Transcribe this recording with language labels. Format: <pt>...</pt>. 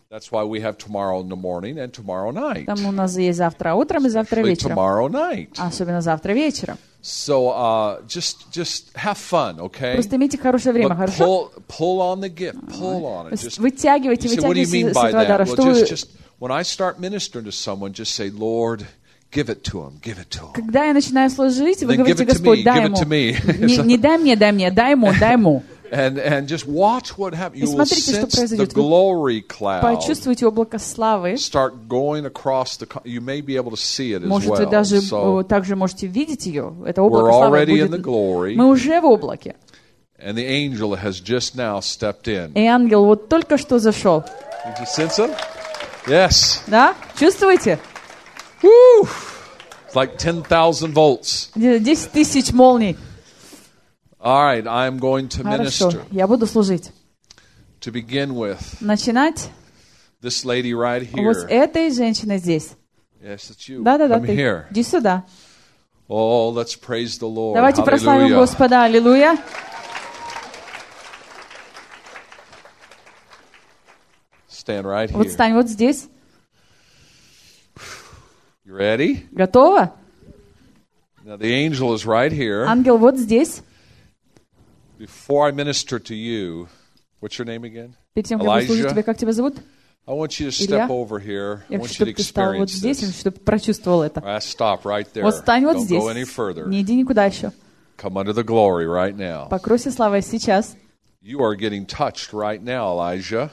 <en>That's why we have tomorrow in the morning and tomorrow night.</en> <ru>Там у нас есть завтра утром и завтра вечером.</ru> <en>Tomorrow night.</en> <ru>Особенно завтра вечером.</ru> <en>So just have fun, okay?</en> <ru>Просто имейте хорошее время,</ru> <en>but</en> <ru>хорошо?</ru> <en>Pull on the gift, pull on it. Just,</en> <ru>вытягивайте, вытягивайте с этого дара.</ru> <en>Well, just when I start ministering to someone, just say, Lord, give it to him, give it to him.</en> <ru>Когда я начинаю служить, вы говорите: Господь, дай ему. Не дай мне, дай мне, дай ему, дай ему.</ru> <en>And just watch what happens. You will sense the glory cloud.</en> <ru>Почувствуйте облако славы.</ru> <en>Start going across the. You may be able to see it as well.</en> <ru>Можете даже также можете видеть ее. Это облако славы.</ru> <en>We're already in the glory.</en> <ru>Мы уже в облаке.</ru> <en>And the angel has just now stepped in.</en> <ru>И ангел вот только что зашел.</ru> <en>Did you sense him? Yes.</en> <ru>Да? Чувствуете?</ru> <en>Woo! It's like 10,000 volts.</en> <ru>10,000 молний.</ru> <en>All right, I'm going to minister.</en> <ru>Хорошо, я буду служить.</ru> <en>To begin with.</en> <ru>Начинать.</ru> <en>This lady right here.</en> <ru>Вот этой женщиной здесь.</ru> <en>Yes, it's you.</en> <ru>Да,</ru> <en>come here.</en> <ru>Иди сюда.</ru> <en>Oh, let's praise the Lord.</en> <ru>Давайте</ru> <en>Hallelujah.</en> <ru>Прославим Господа. Аллилуйя.</ru> <en>stand right here.</en> <ru>Вот встань вот здесь.</ru> <en>You ready?</en> <ru>Готова?</ru> <en>Now the angel is right here.</en> <ru>Ангел вот здесь.</ru> <en>Before I minister to you, what's your name again?</en> <ru>Перед тем, как служить тебе, как тебя зовут?</ru> <en>I want you to step over here.</en> <ru>Я хочу, чтобы ты встал вот здесь, я хочу, чтобы прочувствовал это.</ru> <en>Stop right there.</en> <ru>Вот встань вот здесь.</ru> <en>Don't go any further.</en> <ru>Не иди никуда еще.</ru> <en>Come under the glory right now.</en> <ru>Покройся славой сейчас.</ru> <en>You are getting touched right now, Elijah.</en>